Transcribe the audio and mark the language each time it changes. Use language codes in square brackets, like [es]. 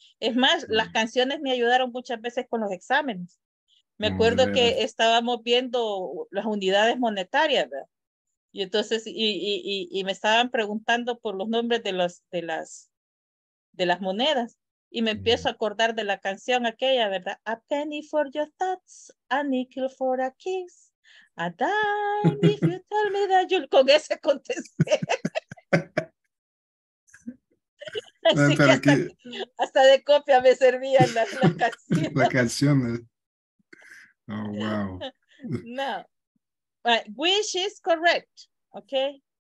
[es] Es más, las canciones me ayudaron muchas veces con los exámenes. Me acuerdo que estábamos viendo las unidades monetarias, ¿verdad? Y entonces, y me estaban preguntando por los nombres de las monedas. Y me empiezo a acordar de la canción aquella, ¿verdad? [en] A penny for your thoughts, a nickel for a kiss, a dime if you tell me that you'll... [es] Con ese contesté. Así no, pero que hasta de copia me servían las canciones. [en] Oh, wow. No. But wish is correct. Okay.